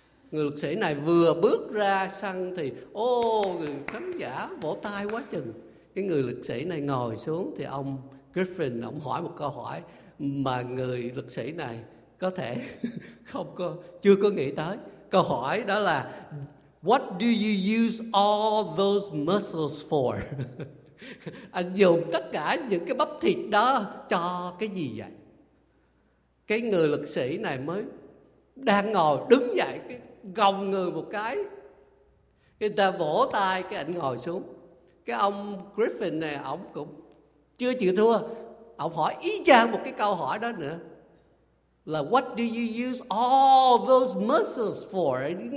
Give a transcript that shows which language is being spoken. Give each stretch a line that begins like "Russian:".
Vietnamese: Người lực sĩ này vừa bước ra sân thì người khán giả vỗ tay quá chừng. Cái người lực sĩ này ngồi xuống thì ông Griffin ông hỏi một câu hỏi mà người lực sĩ này có thể chưa có nghĩ tới. Câu hỏi đó là
English: What do you use all those muscles for?
Vietnamese: Anh dùng tất cả những cái bắp thịt đó cho cái gì vậy? Cái người lực sĩ này mới đang ngồi đứng dậy, cái gồng người một cái, người ta vỗ tay, cái anh ngồi xuống. Cái ông Griffin này ổng cũng chưa chịu thua, ổng hỏi y chang một cái câu hỏi đó nữa, là
English: what do you use all those muscles for?